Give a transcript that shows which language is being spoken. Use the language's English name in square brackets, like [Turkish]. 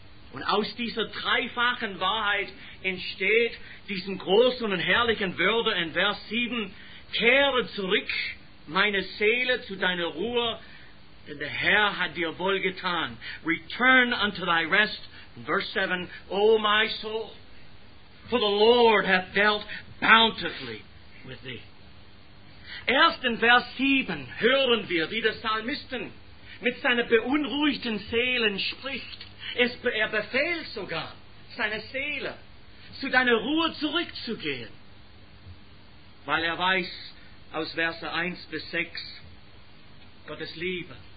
[German] Und aus dieser dreifachen Wahrheit entsteht diesen großen und herrlichen Wörter in Vers 7. Kehre zurück, meine Seele, zu deiner Ruhe, denn der Herr hat dir wohlgetan. [English] Return unto thy rest. [German] In Vers 7. [English] O my soul, for the Lord hath dealt bountifully with thee. [German] Erst in Vers 7 hören wir, wie der Psalmisten mit seiner beunruhigten Seele spricht. Er befehlt sogar, seine Seele zu deiner Ruhe zurückzugehen. Weil er weiß, aus Verse 1 bis 6, Gottes Liebe.